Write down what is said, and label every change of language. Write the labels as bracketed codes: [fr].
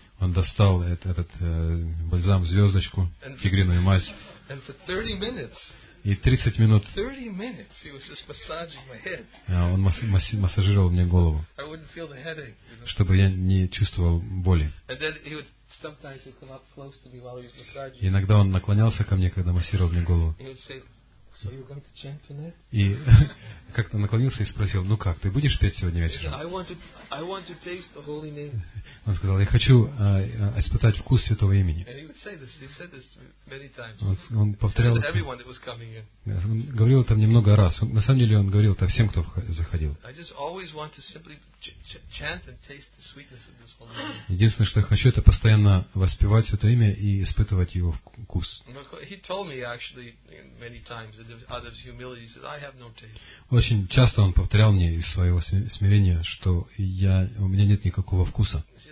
[ru] Он достал этот бальзам, звездочку, тигриную мазь. [en] And for 30 minutes. [ru] И 30 минут. [en] 30 minutes. He was just massaging my head. [ru] Он массажировал мне голову. [en] I wouldn't feel the headache, you know? [ru] Чтобы я не чувствовал боли. [en] And then he would sometimes come up close to me while he was massaging. [ru] Иногда он наклонялся ко мне, когда массировал мне голову. [en] He would say, So you're going to chant tonight? [ru] И как-то наклонился и спросил: ну как, ты будешь петь сегодня вечером? [en] I want to taste the holy name. [ru] Он сказал: я хочу испытать вкус святого имени. [en] And he would say this. He said this many times. [ru] Он повторял. [en] Everyone that was coming in. [ru] Он говорил это мне много раз. На самом деле он говорил это всем, кто заходил. [en] I just always want to simply chant and taste the sweetness of this holy name. [ru] Единственное, что я хочу, это постоянно воспевать святое имя и испытывать его вкус. [en] He told me actually many times that out of humility that I have no taste. [ru] Очень часто он повторял мне из своего смирения, что у меня нет никакого вкуса.